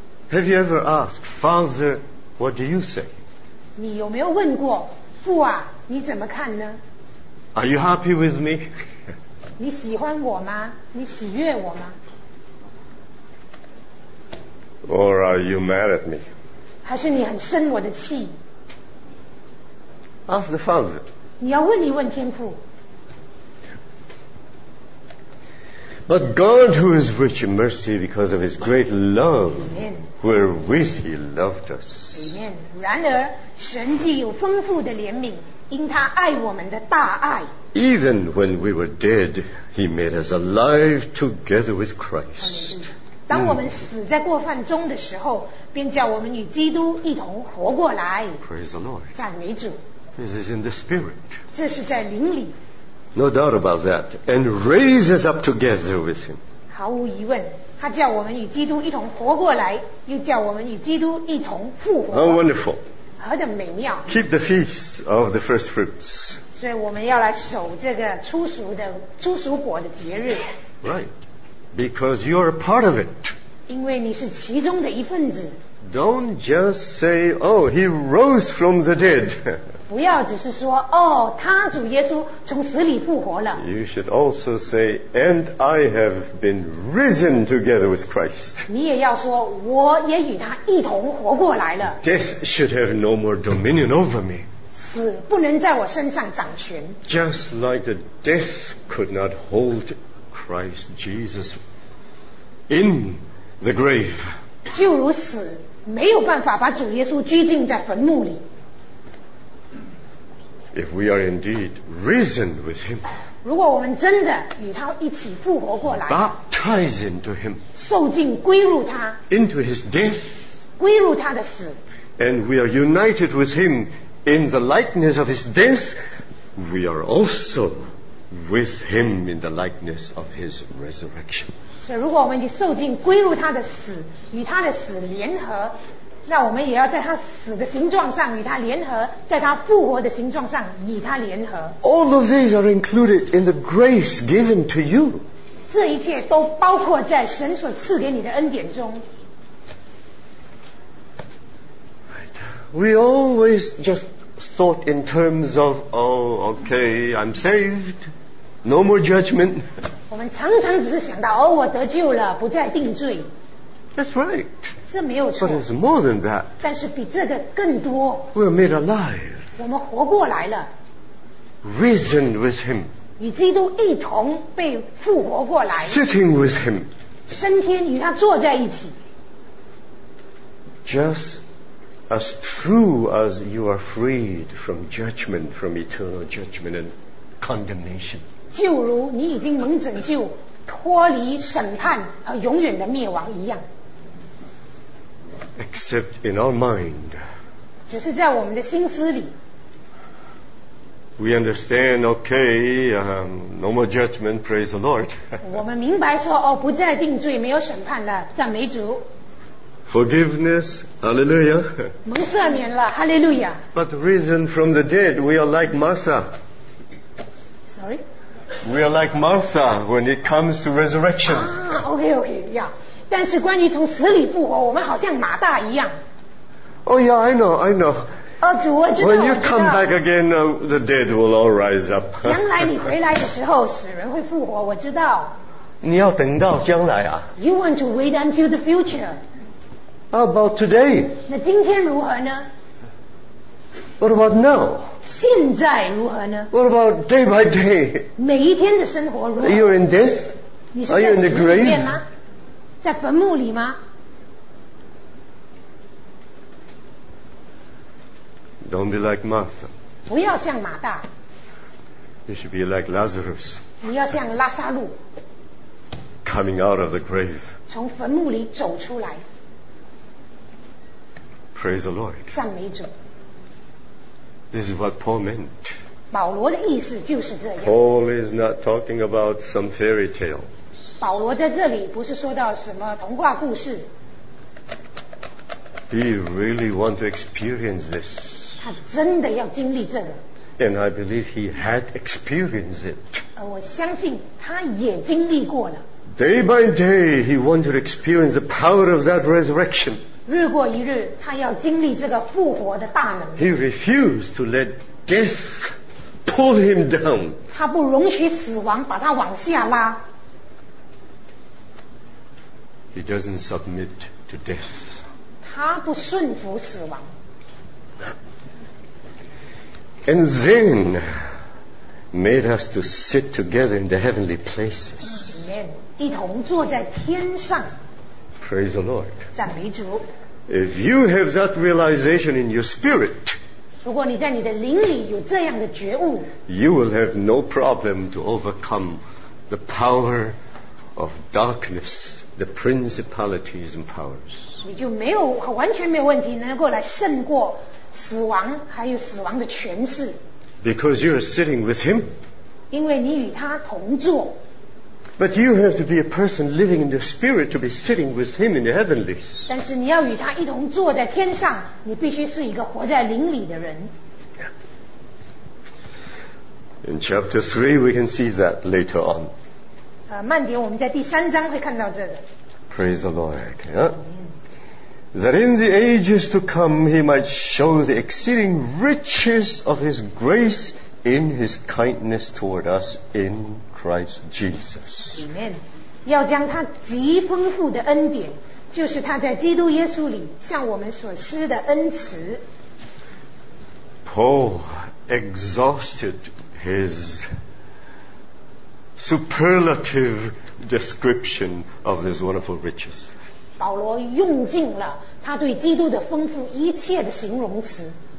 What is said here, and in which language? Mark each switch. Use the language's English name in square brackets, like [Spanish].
[English] Have you ever asked, Father, what do you say? [Chinese] 你有没有问过父啊你怎么看呢？ [English] Are you happy with me? [Chinese] 你喜欢我吗？你喜悦我吗？ [English] Or are you mad at me? [Chinese] 还是你很生我的气？ [English] Ask the Father. [Chinese] 你要问一问天父。 [English] But God, who is rich in mercy because of his great love, wherewith he loved us. Amen. [Chinese] 然而，神既有丰富的怜悯，因他爱我们的大爱。 [English] Even when we were dead, he made us alive together with Christ. Amen. [Chinese] 当我们死在过犯中的时候，便叫我们与基督一同活过来。 [English] Praise the Lord. [Chinese] 赞美主。 [English] This is in the spirit. [Chinese] 这是在灵里。 [English] No doubt about that. And raises up together with him. [Chinese] 毫无疑问，他叫我们与基督一同活过来，又叫我们与基督一同复活。 [English] How wonderful. [Chinese] 何等美妙。 [English] Keep the feast of the first fruits. [Chinese] 所以我们要来守这个初熟果的节日。 [English] Right. Because you are a part of it. [Chinese] 因为你是其中的一份子。 [English] Don't just say, oh, he rose from the dead. [Chinese] 不要只是说，哦，他主耶稣从死里复活了。 [English] You should also say, and I have been risen together with Christ. [Chinese] 你也要说，我也与他一同活过来了。 [English] Death should have no more dominion over me. [Chinese] 死不能在我身上掌权。 [English] Just like the death could not hold me. Christ Jesus in the grave. [Chinese] 就如死没有办法把主耶稣拘禁在坟墓里。 [English] If we are indeed risen with him, [Chinese] 如果我们真的与他一起复活过来， [English] baptized into him, [Chinese] 受浸归入他， [English] into his death, [Chinese] 归入他的死， [English] and we are united with him in the likeness of his death, we are also. With him in the likeness of his resurrection. [Chinese] 所以如果我们已经受浸归入他的死，与他的死联合，那我们也要在他死的形状上与他联合，在他复活的形状上与他联合。 [English] All of these are included in the grace given to you. [Chinese] 这一切都包括在神所赐给你的恩典中。 [English] We always just. Thought in terms of, oh, okay, I'm saved. No more judgment. [Chinese] 我们常常只是想到，哦，我得救了，不再定罪。 [English] That's right. [Chinese] 这没有错。 [English] But it's more than that. [Chinese] 但是比这个更多。 [English] We're made alive. [Chinese] 我们活过来了。 [English] Risen with him. [Chinese] 与基督一同被复活过来。 [English] Sitting with him. [Chinese] 升天与他坐在一起。 [English] Just. As true as you are freed from judgment, from eternal judgment and condemnation. [Chinese] 就如你已经蒙拯救，脱离审判和永远的灭亡一样。 [English] Except in our mind. [Chinese] 只是在我们的心思里。 [English] We understand, okay, no more judgment, praise the Lord. [Chinese] 我们明白说，哦，不再定罪，没有审判了，赞美主。 [English] Forgiveness, hallelujah. [Chinese] 蒙赦免了，哈利路亚。 [English] But risen from the dead, we are like Martha. Sorry? We are like Martha when it comes to resurrection. Ah, okay, yeah. [Chinese] 但是关于从死里复活，我们好像马大一样。 [English] Oh yeah, I know. [Chinese] 哦，主，我知道，我知道。 [English] When you come back again, the dead will all rise up. [Chinese] 将来你回来的时候，死人会复活，我知道。你要等到将来啊。 [English] You want to wait until the future. How about today? [Chinese] 那今天如何呢？ [English] What about now? [Chinese] 现在如何呢？ [English] What about day by day? [Chinese] 每一天的生活如何？ [English] Are you in death? Are you in the grave? [Chinese] 在坟墓里吗？ [English] Don't be like Martha. [Chinese] 不要像马大。 [English] You should be like Lazarus. [Chinese] 你要像拉撒路。 [English] Coming out of the grave. [Chinese] 从坟墓里走出来。 [English] Praise the Lord. [Chinese] 赞美主。 [English] This is what Paul meant. [Chinese] 保罗的意思就是这样。 [English] Paul is not talking about some fairy tale. [Chinese] 保罗在这里不是说到什么童话故事。 [English] He really wants to experience this. [Chinese] 他真的要经历这个。 [English] And I believe he had experienced it. [Chinese] 我相信他也经历过了。 [English] Day by day, he wanted to experience the power of that resurrection. [Chinese] 日过一日，他要经历这个复活的大能。 [English] He refused to let death pull him down. [Chinese] 他不容许死亡把他往下拉。 [English] He doesn't submit to death. [Chinese] 他不顺服死亡。 [English] And then made us to sit together in the heavenly places. [Chinese] Amen. 一同坐在天上。 [English] Praise the Lord. [Chinese] 赞美主。 [English] If you have that realization in your spirit, [Chinese] 如果你在你的灵里有这样的觉悟， [English] you will have no problem to overcome the power of darkness, the principalities and powers. [Chinese] 你就没有，完全没有问题，能够来胜过死亡还有死亡的权势。 [English] Because you are sitting with him. [Chinese] 因为你与他同坐。 [English] But you have to be a person living in the spirit to be sitting with him in the heavenlies. [Chinese] 但是你要与他一同坐在天上，你必须是一个活在灵里的人。 [English] In chapter 3 we can see that later on. [Chinese] 慢点，我们在第三章会看到这个。 [English] Praise the Lord. Yeah. That in the ages to come he might show the exceeding riches of his grace in his kindness toward us in Christ Jesus. Amen. [Chinese] 要将他极丰富的恩典，就是他在基督耶稣里向我们所施的恩慈。 [English] Paul exhausted his superlative description of these wonderful riches. [Chinese] 保罗用尽了他对基督的丰富一切的形容词。